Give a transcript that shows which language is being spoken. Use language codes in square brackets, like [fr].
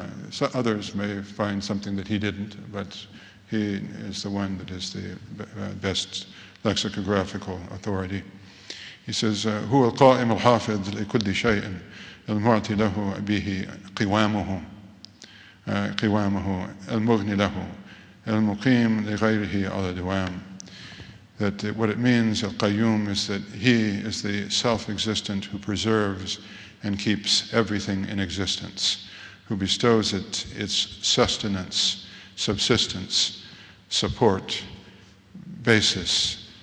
[en] So others may find something that he didn't, but he is the one that is the best lexicographical authority. He says, [ar] هو القائم الحافظ لكل شيء المعطي له به قوامه. قوامه المغني له المقيم لغيره على دوام. [en] That what it means, al-qayyum, is that He is the self-existent who preserves and keeps everything in existence, who bestows it its sustenance, subsistence, support, basis,